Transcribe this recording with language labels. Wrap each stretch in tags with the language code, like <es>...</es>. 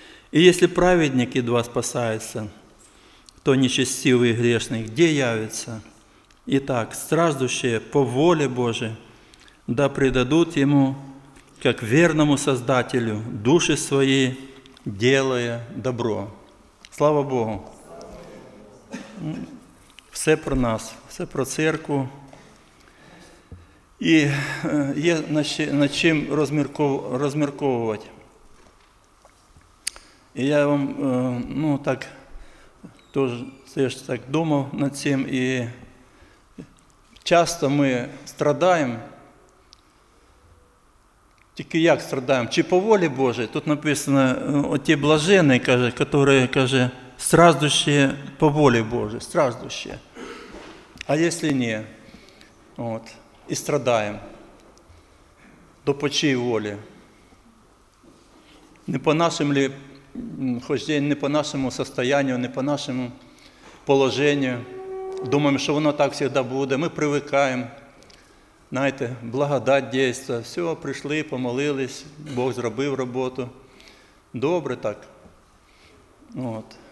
<ru>И если праведник едва спасается, то нечестивый и грешный где явится? Итак, страждущие по воле Божией да предадут ему как верному Создателю, души свои, делая добро. Слава Богу!</ru> <uk>Все про нас, все про церкву. І є над чим розмірковувати. І я вам, ну так, теж так думав над цим. І часто ми страдаємо. Тільки як страдаємо? Чи по волі Божій? Тут написано, оті блажені, каже, які, каже, страждущі по волі Божій, страждущі. А якщо ні? От. І страдаємо. То по чій волі? Не по нашим ли, хоч день, не по нашому состоянню, не по нашому положенню. Думаємо, що воно так завжди буде. Ми привикаємо. Знаєте, благодать дійства. Все, прийшли, помолились, Бог зробив роботу. Добре так. От.</uk>